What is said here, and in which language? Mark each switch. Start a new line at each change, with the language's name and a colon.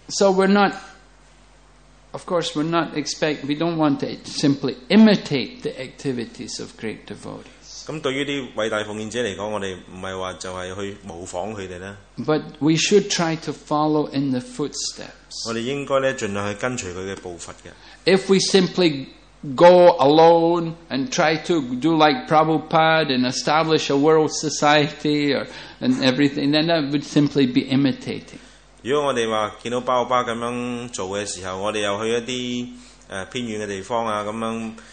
English: So we're not, of course, we're not expect. We don't want to simply imitate the activities of great devotees.
Cantonese: 咁對於啲偉大奉獻者嚟講，我哋唔係話就係去模仿佢哋咧。
English: But we should try to follow in the footsteps.
Cantonese: 我哋應該咧盡量去跟隨佢嘅步伐嘅。
English: If we simply go alone and try to do like Prabhupada and establish a world society and everything, then that would simply be imitating.
Cantonese: 如果我哋話見到巴布巴咁樣做嘅時候，我哋又去一啲偏遠嘅地方啊，咁樣。